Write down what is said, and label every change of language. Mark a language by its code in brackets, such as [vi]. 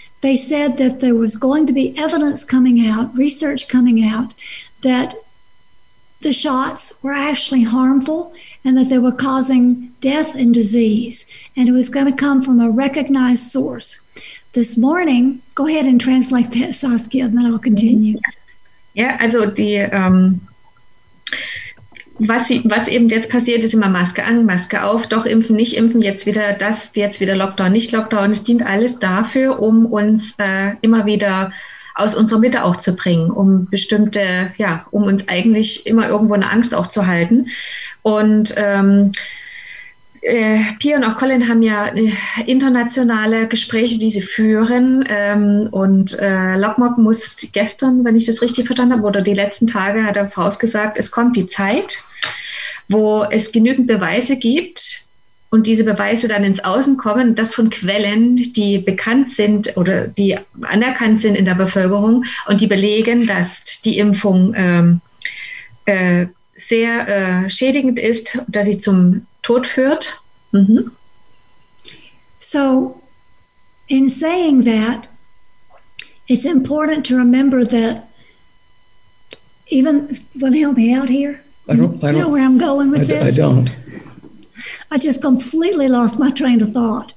[en] They said that there was going to be evidence coming out, research coming out, that the shots were actually harmful and that they were causing death and disease. And it was going to come from a recognized source. This morning, go ahead and translate that, Saskia, and then I'll continue. [de] Ja, also die, was eben jetzt passiert, ist immer Maske an, Maske auf, doch impfen, nicht impfen, jetzt wieder das, jetzt wieder Lockdown, nicht Lockdown. Es dient alles dafür, um uns immer wieder aus unserer Mitte auch zu bringen, um bestimmte, ja, um uns eigentlich immer irgendwo eine Angst auch zu halten. Und Pia und auch Colin haben ja internationale Gespräche, die sie führen. Und Lockmob muss gestern, wenn ich das richtig verstanden habe, oder die letzten Tage, hat er vorausgesagt, es kommt die Zeit, wo es genügend Beweise gibt und diese Beweise dann ins Außen kommen, das von Quellen, die bekannt sind oder die anerkannt sind in der Bevölkerung und die belegen, dass die Impfung sehr schädigend ist, dass sie zum Tod führt. Mm-hmm. [en] So, in saying that, it's important to remember that even, will you help me out here? I don't know where I'm going with this. I don't. I just completely lost my train of thought.